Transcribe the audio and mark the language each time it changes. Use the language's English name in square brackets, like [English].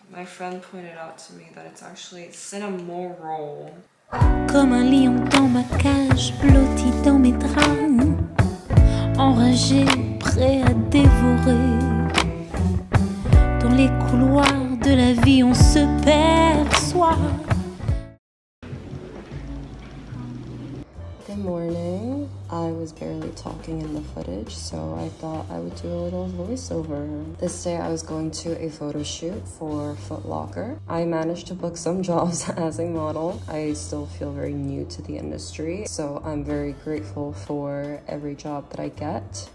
[English] My friend pointed out to me that it's actually cinnamon roll. [French] Comme un lion dans ma cage, blotti dans mes draps. Enragé, prêt à dévorer. Dans les couloirs de la vie, on se perçoit. [English] Good morning. I was barely talking in the footage, so I thought I would do a little voiceover. This day I was going to a photo shoot for Foot Locker. I managed to book some jobs as a model. I still feel very new to the industry, so I'm very grateful for every job that I get.